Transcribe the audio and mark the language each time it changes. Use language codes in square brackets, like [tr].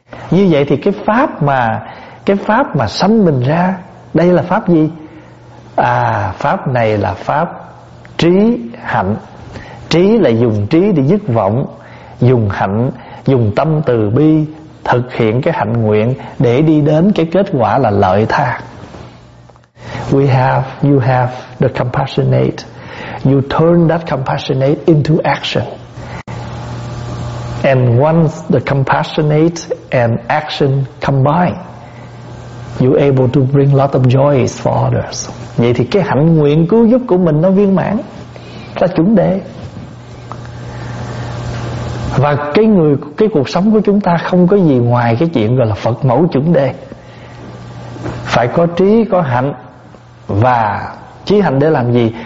[vi] Như vậy thì cái pháp mà sanh mình ra, đây là pháp gì? À, pháp này là pháp trí hạnh. Trí là dùng trí để dứt vọng, dùng hạnh, dùng tâm từ bi thực hiện cái hạnh nguyện để đi đến cái kết quả là lợi tha. [en] We have, you have the compassionate. You turn that compassionate into action. And once the compassionate and action combine, you're able to bring lot of joys for others. [vi] Vậy thì cái hạnh nguyện cứu giúp của mình nó viên mãn, là chuẩn đề. Và cái cuộc sống của chúng ta không có gì ngoài cái chuyện gọi là Phật mẫu chuẩn đề. Phải có trí, có hạnh. Và trí hạnh để làm gì?